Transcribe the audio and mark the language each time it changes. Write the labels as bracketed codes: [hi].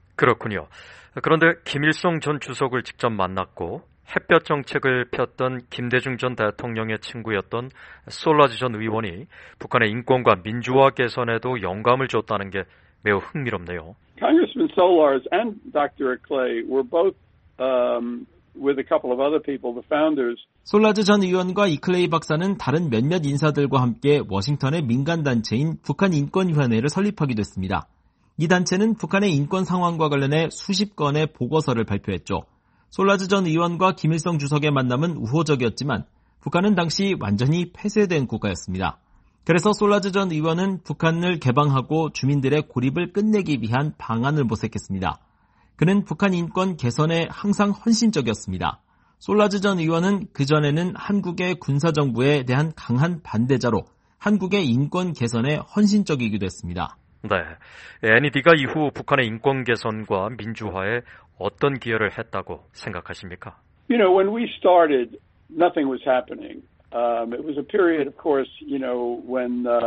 [ko] 그렇군요. 그런데 김일성 전 주석을 직접 만났고 햇볕 정책을 폈던 김대중 전 대통령의 친구였던 솔라즈 전 의원이 북한의 인권과 민주화 개선에도 영감을 줬다는 게 매우 흥미롭네요. [en] Congressman Solars and Dr. Clay were both with a couple of other people, the founders. [ko] 솔라즈 전 의원과 이클레이 박사는 다른 몇몇 인사들과 함께 워싱턴의 민간 단체인 북한 인권위원회를 설립하기도 했습니다. 이 단체는 북한의 인권 상황과 관련해 수십 건의 보고서를 발표했죠. 솔라즈 전 의원과 김일성 주석의 만남은 우호적이었지만 북한은 당시 완전히 폐쇄된 국가였습니다. 그래서 솔라즈 전 의원은 북한을 개방하고 주민들의 고립을 끝내기 위한 방안을 모색했습니다. 그는 북한 인권 개선에 항상 헌신적이었습니다. 솔라즈 전 의원은 그전에는 한국의 군사정부에 대한 강한 반대자로 한국의 인권 개선에 헌신적이기도 했습니다. 네, NED가 이후 북한의 인권 개선과 민주화에 어떤 기여를 했다고 생각하십니까? [en] You know, when we started, nothing was happening. It was a period, of course, you know, when